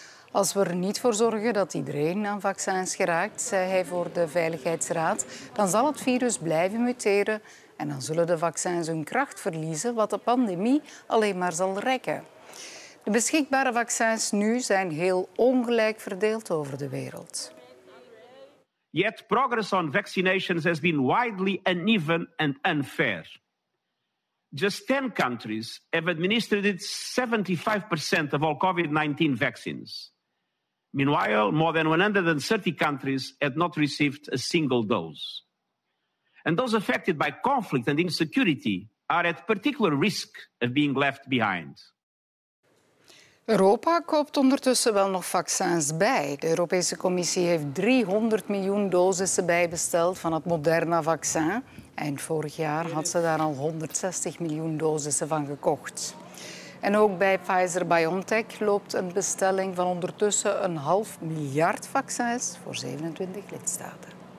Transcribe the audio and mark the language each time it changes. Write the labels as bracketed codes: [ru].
[nl] Als we er niet voor zorgen dat iedereen aan vaccins geraakt, zei hij voor de Veiligheidsraad, dan zal het virus blijven muteren en dan zullen de vaccins hun kracht verliezen, wat de pandemie alleen maar zal rekken. De beschikbare vaccins nu zijn heel ongelijk verdeeld over de wereld. [en] Yet progress on vaccinations has been widely uneven and unfair. Just 10 countries have administered 75% of all COVID-19 vaccines. Meanwhile, more than 130 countries had not received a single dose. And those affected by conflict and insecurity are at particular risk of being left behind. [nl] Europa koopt ondertussen wel nog vaccins bij. De Europese Commissie heeft 300 miljoen dosissen bijbesteld van het Moderna-vaccin. Eind vorig jaar had ze daar al 160 miljoen dosissen van gekocht. En ook bij Pfizer-BioNTech loopt een bestelling van ondertussen 500 miljoen vaccins voor 27 lidstaten.